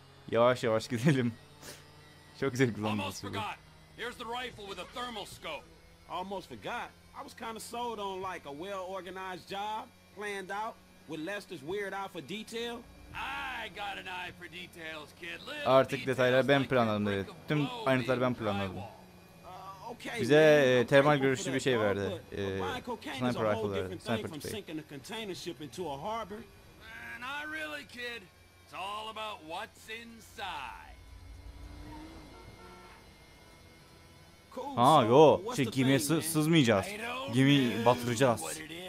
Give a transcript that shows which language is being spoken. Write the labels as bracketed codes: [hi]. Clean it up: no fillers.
[tr] Yavaş yavaş gidelim. Çok güzel kullanmış. [en] Almost forgot. Here's the rifle with a thermal scope. Almost forgot. I was kind of sold on like a well-organized job, planned out, with Lester's weird eye for detail. I got an eye for details, kid. [tr] Artık detaylar ben planladım dedi. Tüm ayrıntılar ben planladım. [en] Okay, [tr] bize termal görüşlü bir şey verdi. Sniper rifle'ları. Sniper tüpe. [en] Sinking a container ship into a harbor. Not really, kid. It's all about what's inside. [tr] Ha yo, şey gemiye sızmayacağız. Gemiyi batıracağız.